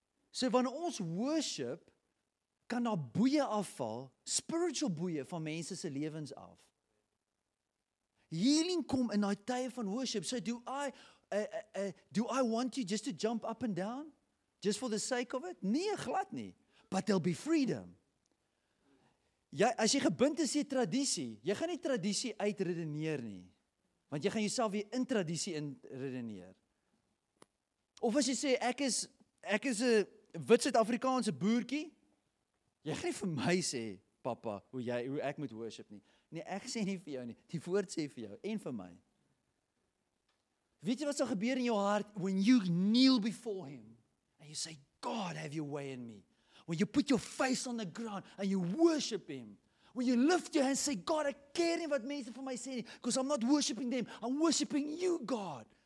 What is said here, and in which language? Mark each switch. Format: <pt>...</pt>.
<af>So, wanneer ons worship, kan daar boeie afval, spiritual boeie, van mense se lewens af. Healing kom in die tye van worship.</af> <en>So, do I want you just to jump up and down? Just for the sake of it?</en> <af>Nee, glad nie.</af> <en>But there'll be freedom.</en> <af>Jy, as jy gebind is die tradisie, jy gaan nie tradisie uitredeneer nie. Want jy gaan jouself weer in tradisie inredeneer. Of as jy sê, ek is 'n wit Suid-Afrikaanse boertjie, jy gaan nie vir my sê, papa, hoe ek moet worship nie. Nee, ek sê nie vir jou nie, die woord sê vir jou, en vir my. Weet jy wat sal gebeur in jou hart,</af> <en>when you kneel before him, and you say, God, have your way in me. When you put your face on the ground, and you worship him. When you lift your hand and say, God, I care</en> <af>nie wat mense vir my sê nie,</af> <en>because I'm not worshiping them, I'm worshiping you, God.</en>